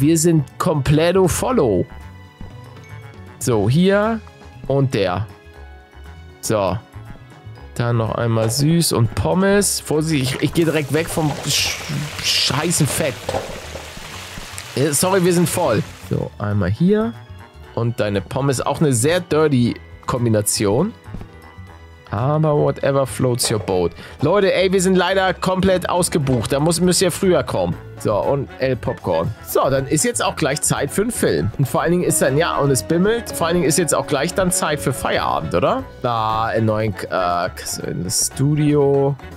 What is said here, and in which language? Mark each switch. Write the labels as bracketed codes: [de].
[de] Wir sind completo follow. So, hier. Und der. So. Dann noch einmal süß und Pommes. Vorsicht, ich gehe direkt weg vom scheißen Fett. Sorry, wir sind voll. So, einmal hier. Und deine Pommes. Auch eine sehr dirty Kombination. Aber [en] whatever floats your boat. [de] Leute, ey, wir sind leider komplett ausgebucht. Da müsst ihr früher kommen. So, und El Popcorn. So, dann ist jetzt auch gleich Zeit für einen Film. Und vor allen Dingen ist dann, ja, und es bimmelt. Vor allen Dingen ist jetzt auch gleich dann Zeit für Feierabend, oder? Da, in neuen, in das Studio.